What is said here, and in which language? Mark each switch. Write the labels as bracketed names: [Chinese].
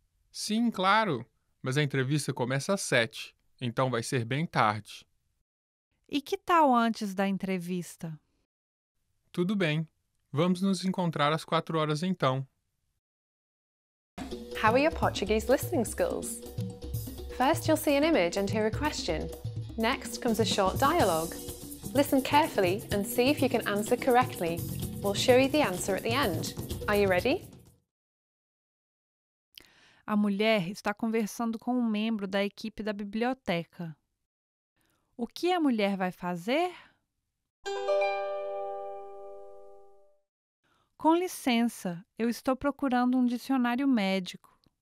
[Portuguese] Sim, claro, mas a entrevista começa às 7, então vai ser bem tarde. E que tal antes da entrevista? Tudo bem, vamos nos encontrar às 4 horas então. [English] How are your Portuguese listening skills? First, you'll see an image and hear a question. Next comes a short dialogue. Listen carefully and see if you can answer correctly. We'll show you the answer at the end. Are you ready? [Portuguese] A mulher está conversando com um membro da equipe da biblioteca. O que a mulher vai fazer? Com licença, eu estou procurando um dicionário médico.